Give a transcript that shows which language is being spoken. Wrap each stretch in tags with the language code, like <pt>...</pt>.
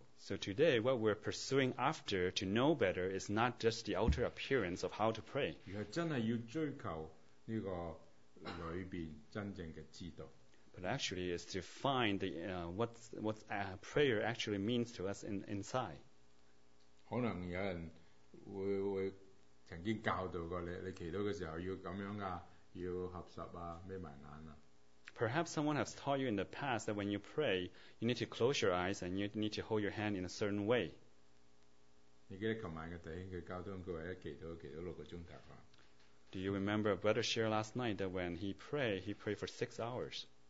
<en>So today, what we're pursuing after to know better is not just the outer appearance of how to pray.</en> <yue>如果真係要追求呢個裏邊真正嘅知道</yue> <en>，but actually is to find the what prayer actually means to us inside.</en> <yue>可能有人會經教導過你，你祈禱嘅時候要咁樣啊，要合十啊，眯埋眼啊。</yue> <en>Perhaps someone has taught you in the past that when you pray, you need to close your eyes and you need to hold your hand in a certain way.</en> <yue>你記得昨晚嘅弟兄佢交通佢話一祈禱六個鐘頭啊。</yue> <en>Do you remember Brother Shear last night that when he prayed for 6 hours?</en>